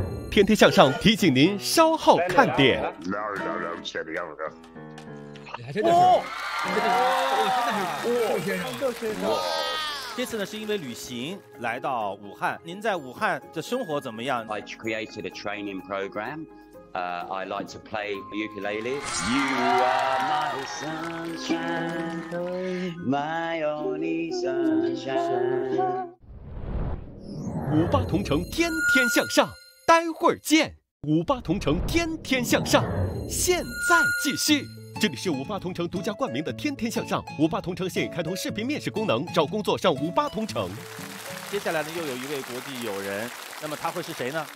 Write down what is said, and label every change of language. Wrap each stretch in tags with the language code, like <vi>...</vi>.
<zh>天天向上提醒您稍后看点。你还真的是，哦，你真的是，哇，寿先生，哇。这次呢是因为旅行来到武汉，您在武汉的生活怎么样</zh> <en>？I created a training program. I like to play ukulele. You are my sunshine, my only sunshine.</en> <zh>五八同城天天向上，待会儿见。五八同城天天向上，现在继续。这里是五八同城独家冠名的天天向上，五八同城现已开通视频面试功能，找工作上五八同城。接下来呢又有一位国际友人，那么他会是谁呢？</zh>